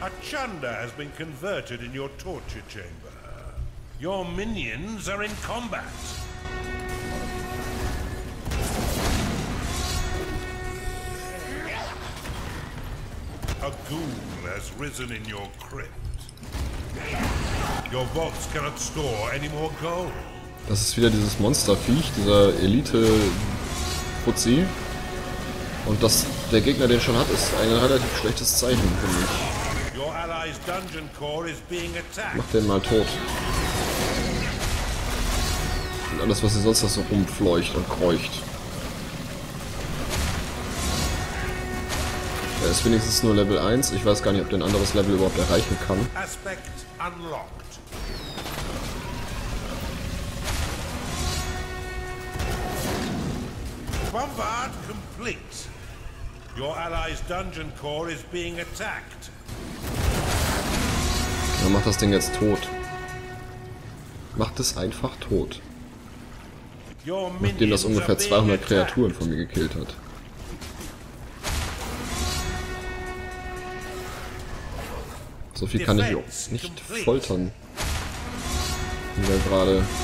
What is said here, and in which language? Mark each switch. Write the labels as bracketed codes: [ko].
[en] A Chanda has been converted in your torture chamber. Your minions are in combat. A ghoul has risen in your crypt. Your vaults cannot store any more gold. [de] Das ist wieder dieses Monsterviech, dieser Elite-Putzi. Und dass der Gegner den schon hat, ist ein relativ schlechtes Zeichen, finde ich. Mach den mal tot. Und alles, was hier sonst noch so rumfleucht und kreucht. Er ist wenigstens nur Level 1. Ich weiß gar nicht, ob der ein anderes Level überhaupt erreichen kann. [en] Aspekt unlocked. Bombard complete. Your ally's dungeon core is being attacked. [de] Ja, mach das Ding jetzt tot. Mach das einfach tot. Nachdem das ungefähr 200 Kreaturen von mir gekillt hat. So viel kann ich nicht foltern. Wie wir gerade.